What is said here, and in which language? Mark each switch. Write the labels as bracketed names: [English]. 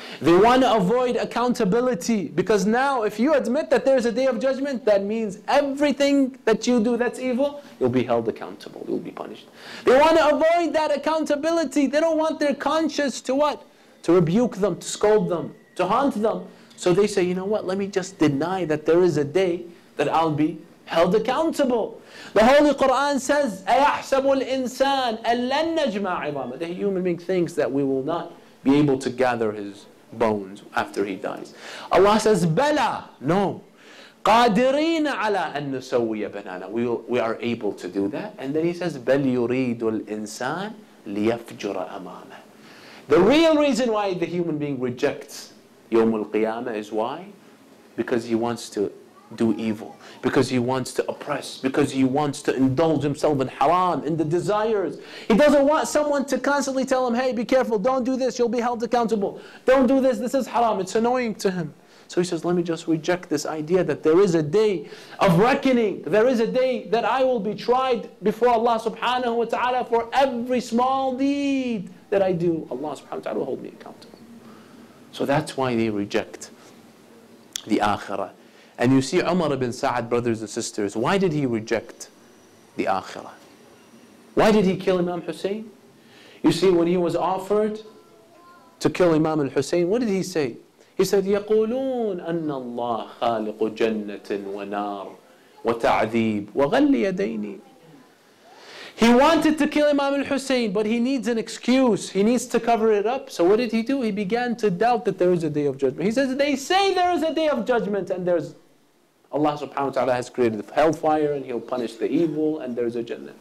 [English] They want to avoid accountability, because now if you admit that there's a day of judgment, that means everything that you do that's evil, you'll be held accountable, you'll be punished. They want to avoid that accountability. They don't want their conscience to what? To rebuke them, to scold them, to haunt them. So they say, you know what, let me just deny that there is a day that I'll be held accountable. The Holy Quran says, [Arabic] أَيَحْسَبُ الْإِنسَانَ أَلَّنْ نَجْمَعْ عِظَامَ. [English] The human being thinks that we will not be able to gather his bones after he dies. Allah says, [Arabic] بَلَى. [English] No. [Arabic] قَادِرِينَ عَلَىٰ أَن نُسَوِّيَ بَنَانَ. [English] We are able to do that. And then he says, [Arabic] بَلْ يُرِيدُ الْإِنسَانَ لِيَفْجُرَ أَمَامَ. [English] The real reason why the human being rejects يوم القيامة is why? Because he wants to do evil, because he wants to oppress, because he wants to indulge himself in haram, in the desires. He doesn't want someone to constantly tell him, hey, be careful, don't do this, you'll be held accountable. Don't do this, this is haram. It's annoying to him. So he says, let me just reject this idea that there is a day of reckoning. There is a day that I will be tried before Allah subhanahu wa ta'ala for every small deed that I do. Allah subhanahu wa ta'ala will hold me accountable. So that's why they reject the akhirah. And you see Umar ibn Sa'ad, brothers and sisters, why did he reject the Akhirah? Why did he kill Imam Hussein? You see, when he was offered to kill Imam al-Hussein, what did he say? He said, [Arabic] يَقُولُونَ أَنَّ اللَّهَ خَالِقُ جَنَّةٍ وَنَارٍ وَتَعْذِيبٍ وَغَلِّ يَدَيْنِ. [English] He wanted to kill Imam al-Hussein, but he needs an excuse. He needs to cover it up. So what did he do? He began to doubt that there is a day of judgment. He says, they say there is a day of judgment, and there's Allah subhanahu wa ta'ala has created the hellfire, and he'll punish the evil, and there's a jannah.